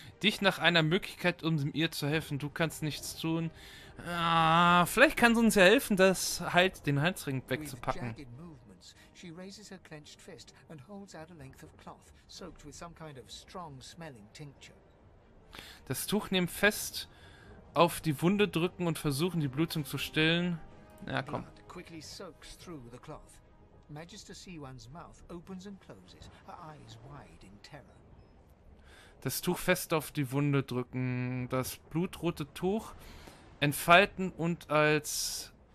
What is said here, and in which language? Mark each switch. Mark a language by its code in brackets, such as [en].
[de] Dich nach einer Möglichkeit, um ihr zu helfen, du kannst nichts tun. Ah, vielleicht kann sie uns ja helfen, das halt den Halsring wegzupacken. [en] She raises her clenched fist and holds out a length of cloth, soaked with some kind of strong-smelling tincture. [de] Das Tuch nehmen fest, auf die Wunde drücken und versuchen, die Blutung zu stillen. Ja, komm. [en] Blood quickly soaks through the cloth. Magister C1's mouth opens and closes, her eyes wide in terror. [de] Das Tuch fest auf die Wunde drücken, das blutrote Tuch entfalten und als...